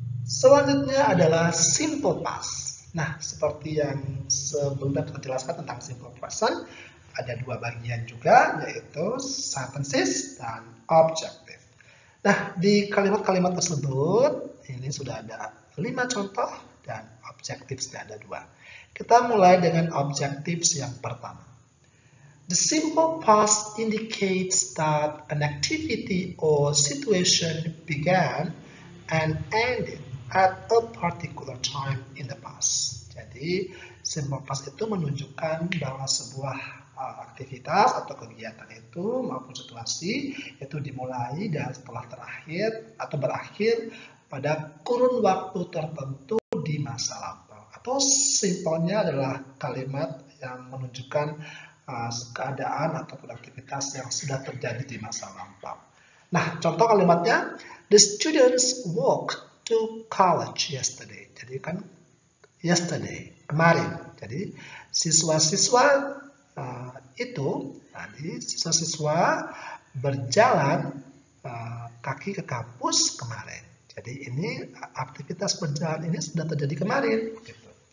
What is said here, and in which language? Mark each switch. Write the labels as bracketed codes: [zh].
[id] Selanjutnya adalah simple past. Nah, seperti yang sebelumnya kita jelaskan tentang simple present, ada dua bagian juga, yaitu sentences dan objective. Nah, di kalimat-kalimat tersebut, ini sudah ada 5 contoh dan objective sudah ada 2. Kita mulai dengan objective yang pertama. The simple past indicates that an activity or situation began and ended at a particular time in the past. Jadi, simple past itu menunjukkan bahwa sebuah aktivitas atau kegiatan itu maupun situasi itu dimulai dan setelah terakhir atau berakhir pada kurun waktu tertentu di masa lampau. Atau simpelnya adalah kalimat yang menunjukkan keadaan ataupun aktivitas yang sudah terjadi di masa lampau. Nah, contoh kalimatnya, [en] the students walk to college yesterday. [id] Jadi kan yesterday, kemarin. Jadi siswa-siswa itu tadi siswa-siswa berjalan kaki ke kampus kemarin. Jadi ini aktivitas berjalan ini sudah terjadi kemarin gitu.